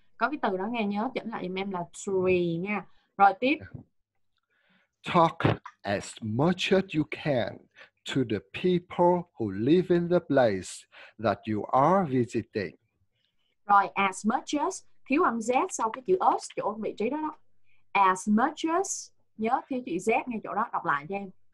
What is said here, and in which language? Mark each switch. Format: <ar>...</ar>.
<vi>Có cái từ đó nghe nhớ chỉnh lại giùm em là tree nha. Rồi tiếp.</vi> <en>Talk as much as you can to the people who live in the place that you are visiting.</en> <vi>Rồi as much as, thiếu âm Z sau cái chữ us chỗ vị trí đó đó. As much as, nhớ thiếu chữ Z ngay chỗ đó, đọc lại cho em.</vi>